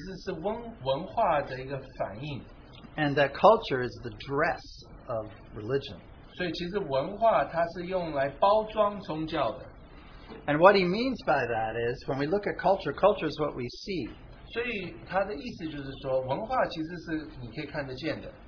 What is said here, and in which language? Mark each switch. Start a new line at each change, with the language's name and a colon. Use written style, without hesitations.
Chinese: 所以宗教其实是文化的一个反应。
English: And that culture is the dress of religion.
Chinese: 所以其实文化它是用来包装宗教的。
English: And what he means by that is, when we look at culture, culture is what we see.
Chinese: 所以他的意思就是说，文化其实是你可以看得见的。